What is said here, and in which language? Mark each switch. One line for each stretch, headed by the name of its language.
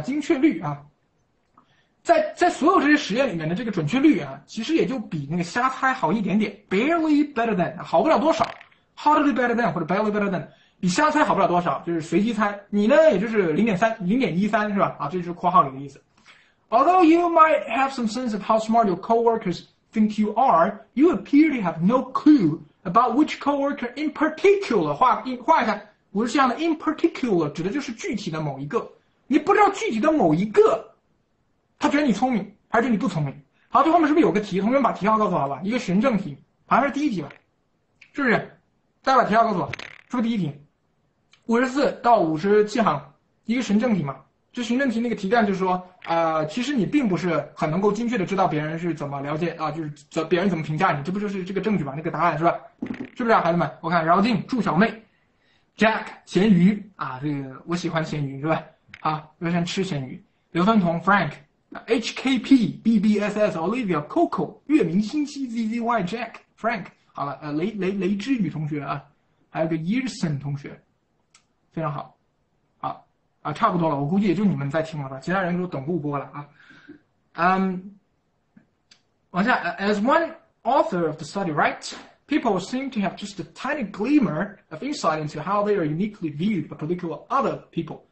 Chinese: 精确率啊，在所有这些实验里面的这个准确率啊，其实也就比那个瞎猜好一点点 ，
English: barely better than，
Chinese: 好不了多少。
English: Hardly better than
Chinese: 或者
English: barely better than，
Chinese: 比瞎猜好不了多少，就是随机猜。你呢，也就是 0.3、0.13 是吧？啊，这就是括号里的意思。
English: Although you might have some sense of how smart your coworkers think you are, you appear to have no clue about which coworker in particular
Chinese: 画一下，不是这样的
English: ，in particular
Chinese: 指的就是具体的某一个。你不知道具体的某一个，他觉得你聪明还是觉得你不聪明？好，最后面是不是有个题？同学们把题号告诉我好吧，一个循证题，好像是第一题吧，是不是？再把题号告诉我，是不是第一题？54到57行，一个循证题嘛。这循证题那个题干就是说，其实你并不是很能够精确的知道别人是怎么了解啊，就是别人怎么评价你，这不就是这个证据吧？那个答案是吧？是不是啊，孩子们？我看饶静、祝小妹、Jack、咸鱼啊，这个我喜欢咸鱼是吧？啊，我喜欢吃咸鱼。刘分彤、Frank、HKP、BBSS、Olivia、Coco、月明星稀、ZZY、Jack、Frank。好了，雷之宇同学啊，还有个 Yerson 同学，非常好，差不多了，我估计也就你们在听了吧，其他人都等录播了啊。往下
English: ，As one author of the study writes, people seem to have just a tiny glimmer of insight into how they are uniquely viewed by particular other people。